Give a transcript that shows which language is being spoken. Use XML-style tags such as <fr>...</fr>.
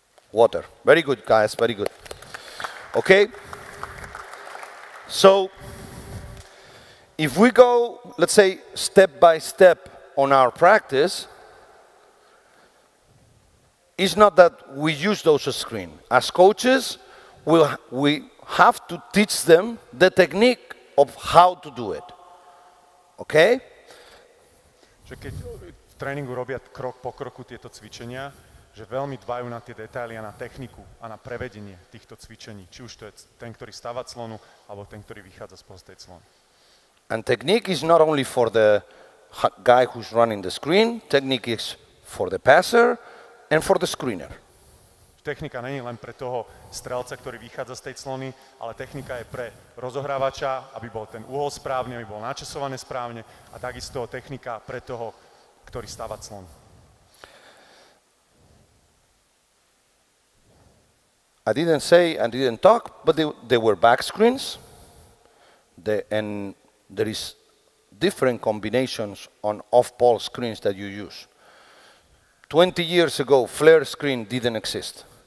<en>Water, very good guys, very good. Okay? So, if we go, let's say, step by step, on our practice, it's not that we use those screens. As coaches, we have to teach them the technique of how to do it. Okay?</en> <sk>Že keď v tréningu robia krok po kroku tieto cvičenia, že veľmi dbajú na tie detaily a na techniku a na prevedenie týchto cvičení, či už to je ten, ktorý stáva clonu, alebo ten, ktorý vychádza spoza tej clony.</sk> <en>And technique is not only for the guy who's running the screen, technique is for the passer and for the screener.</en> <sk>Technika není len pre toho strelca, ktorý vychádza z tej clony, ale technika je pre rozohrávača, aby bol ten uhol správny, aby bol načasovaný správne, a takisto technika pre toho, ktorý stáva clon.</sk> <en>I didn't say, I didn't talk, but they were back screens. There is different combinations on off-ball screens that you use. 20 years ago, flare screen didn't exist.</en>